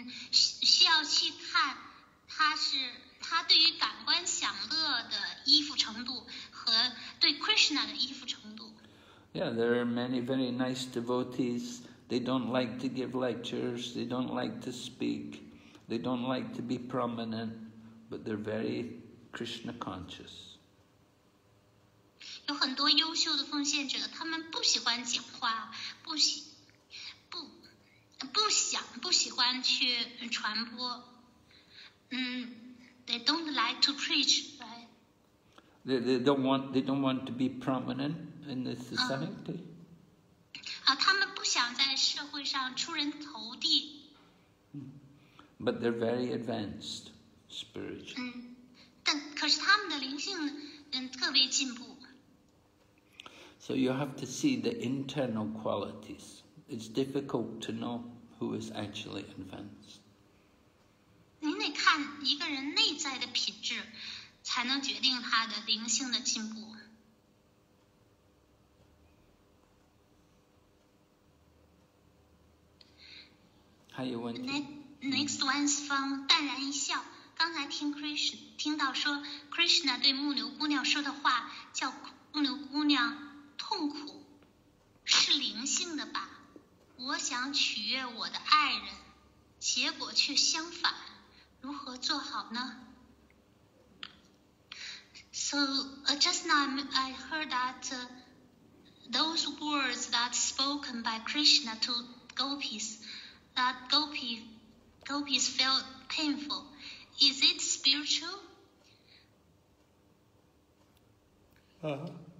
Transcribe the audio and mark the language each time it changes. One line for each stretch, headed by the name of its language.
Chinese: 需要去看他对于感官享乐的依附程度和对 Krishna 的依附程度。
English: Yeah, there are many very nice devotees. They don't like to give lectures, they don't like to speak, they don't like to be prominent, but they're very Krishna conscious.
Chinese: 有很多优秀的奉献者，他们不喜欢讲话，不喜欢去传播。
English: They don't like to preach, right? They don't want to be prominent in the society.
Chinese: 他们不想在社会上出人头地。
English: But they're very advanced spiritually.
Chinese: 但可是他们的灵性特别进步。
English: So you have to see the internal qualities. It's difficult to know who is actually advanced.
Chinese: 你得看一个人内在的品质，才能决定他的灵性的进步。
English: Next one is from 淡然一笑。
Chinese: 刚才听到说 Krishna 对木牛姑娘说的话，叫木牛姑娘痛苦，是灵性的吧？我想取悦我的爱人，结果却相反，如何做好呢？
English: So, just now I heard that those words that spoken by Krishna to gopis, that gopis felt painful. Is it spiritual?